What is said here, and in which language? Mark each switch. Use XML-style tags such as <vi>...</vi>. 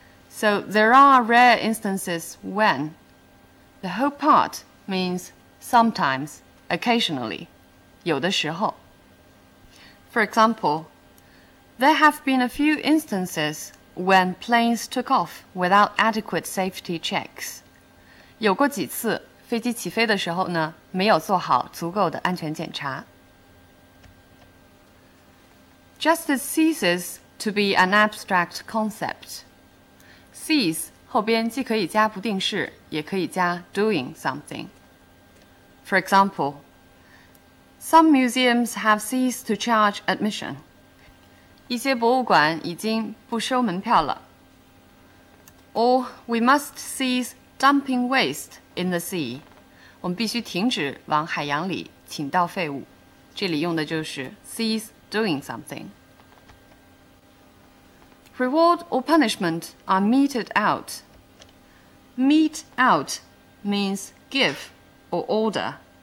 <en>So there are rare instances when. The whole part means sometimes, occasionally,</en> <zh>有的时候.</zh> <en>For example, there have been a few instances when planes took off without adequate safety checks.</en> <zh>有过几次飞机起飞的时候呢，没有做好足够的安全检查.</zh> <en>Justice ceases. To be an abstract concept.</en> <zh>Cease 后边既可以加不定式，也可以加</zh> <en>doing something. For example, some museums have ceased to charge admission.</en> <zh>一些博物馆已经不收门票了。</zh> <en>Or we must cease dumping waste in the sea.</en> <zh>我们必须停止往海洋里倾倒废物。这里用的就是</zh> <en>cease doing something. Reward or punishment are meted out. Mete out means give or order.</en>